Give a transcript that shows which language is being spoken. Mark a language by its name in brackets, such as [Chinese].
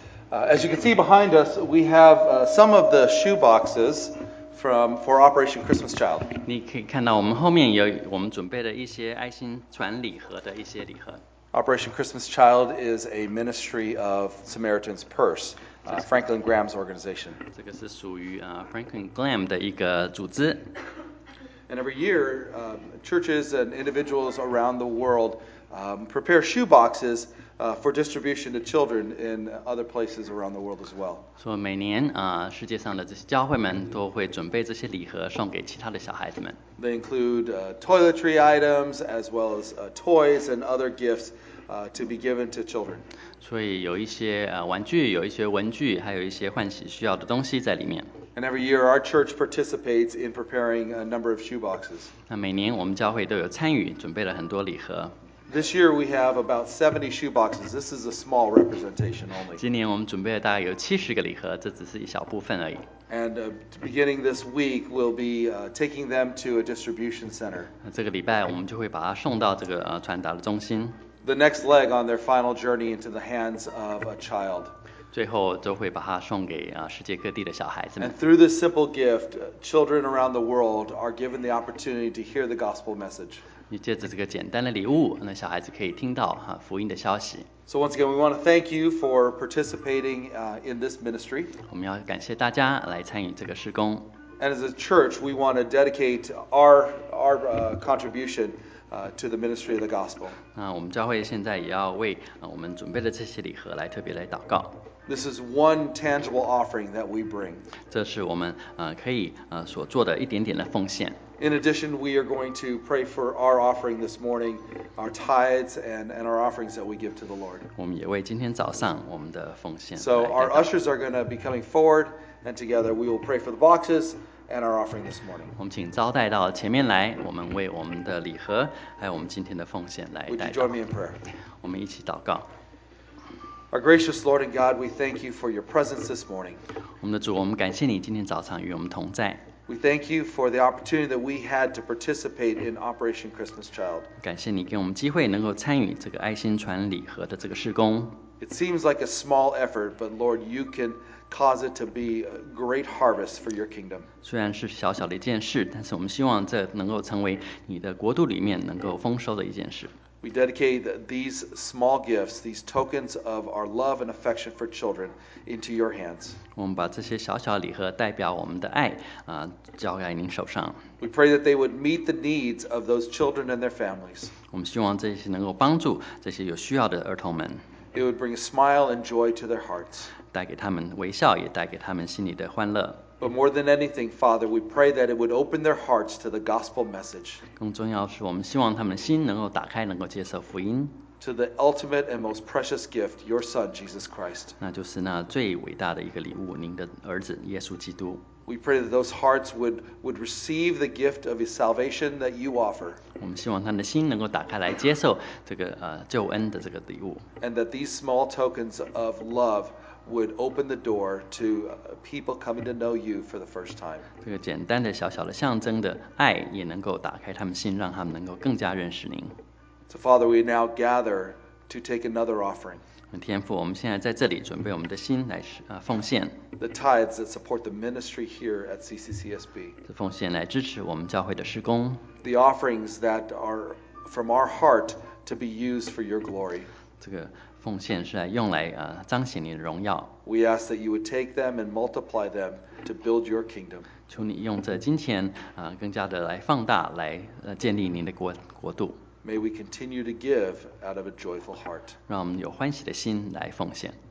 [English] As you can see behind us, we have some of the shoe boxes for Operation Christmas Child. [Chinese] 你可以看到我们后面有我们准备的一些爱心船礼盒的一些礼盒。 [English] Operation Christmas Child is a ministry of Samaritan's Purse, Franklin Graham's organization. [Chinese] 这个是属于Franklin Graham 的一个组织。 [English] And every year, churches and individuals around the world prepare shoe boxes for distribution to children in other places around the world as well. [Chinese] 所以每年世界上的这些教会们都会准备这些礼盒送给其他的小孩子们。 [English] They include toiletry items as well as toys and other gifts to be given to children. [Chinese] 所以有一些玩具，有一些文具，还有一些换洗需要的东西在里面。 [English] And every year our church participates in preparing a number of shoe boxes. [Chinese] 那每年我们教会都有参与，准备了很多礼盒。 [English] This year we have about 70 shoe boxes. This is a small representation only. [Chinese] 今年我们准备了大概有70个礼盒，这只是一小部分而已。 [English] And beginning this week, we'll be taking them to a distribution center. [Chinese] 这个礼拜我们就会把它送到这个传达的中心。 [English] The next leg on their final journey into the hands of a child. [Chinese] 最后都会把它送给世界各地的小孩子们。 [English] And through this simple gift, children around the world are given the opportunity to hear the gospel message. [Chinese] 你借着这个简单的礼物，那小孩子可以听到福音的消息。 [English] So once again, we want to thank you for participating in this ministry. [Chinese] 我们要感谢大家来参与这个事工。 [English] And as a church, we want to dedicate our contribution to the ministry of the gospel. [Chinese] 那我们教会现在也要为我们准备的这些礼盒来特别来祷告。 [English] This is one tangible offering that we bring. [Chinese] 这是我们可以所做的一点点的奉献。 [English] In addition, we are going to pray for our offering this morning, our tithes and our offerings that we give to the Lord. [Chinese] 我们也为今天早上我们的奉献。 [English] So our ushers are going to be coming forward, and together we will pray for the boxes and our offering this morning. [Chinese] 我们请招待到前面来，我们为我们的礼盒还有我们今天的奉献来代祷。 [English] Would you join me in prayer? [Chinese] 我们一起祷告。 [English] Our gracious Lord and God, we thank you for your presence this morning. [Chinese] 我们的主，我们感谢你今天早上与我们同在。 [English] We thank you for the opportunity that we had to participate in Operation Christmas Child. [Chinese] 感谢你给我们机会能够参与这个爱心传礼盒的这个事工。 [English] It seems like a small effort, but Lord, you can cause it to be a great harvest for your kingdom. [Chinese] 虽然是小小的一件事，但是我们希望这能够成为你的国度里面能够丰收的一件事。 [English] We dedicate these small gifts, these tokens of our love and affection for children, into your hands. [Chinese] 我们把这些小小礼盒代表我们的爱，交在您手上。 [English] We pray that they would meet the needs of those children and their families. [Chinese] 我们希望这些能够帮助这些有需要的儿童们。 [English] It would bring a smile and joy to their hearts. [Chinese] 带给他们微笑，也带给他们心里的欢乐。 [English] But more than anything, Father, we pray that it would open their hearts to the gospel message. [Chinese] 更重要是我们希望他们的心能够打开，能够接受福音。 [English] To the ultimate and most precious gift, your Son, Jesus Christ. [Chinese] 那就是那最伟大的一个礼物，您的儿子耶稣基督。 [English] We pray that those hearts would receive the gift of his salvation that you offer. [Chinese] 我们希望他们的心能够打开来接受这个救恩的这个礼物。 [English] And that these small tokens of love would open the door to people coming to know you for the first time. [Chinese] 这个简单的小小的象征的爱也能够打开他们心，让他们能够更加认识您。 [English] So Father, we now gather to take another offering. [Chinese] 天父，我们现在在这里准备我们的心来奉献。 [English] The tithes that support the ministry here at CCCSB. [Chinese] 这奉献来支持我们教会的事工。 [English] The offerings that are from our heart to be used for your glory. [Chinese] 这个奉献是来用来彰显你的荣耀。 [English] We ask that you would take them and multiply them to build your kingdom. [Chinese] 求你用这金钱更加的来放大，来建立您的国度。 [English] May we continue to give out of a joyful heart. [Chinese] 让我们有欢喜的心来奉献。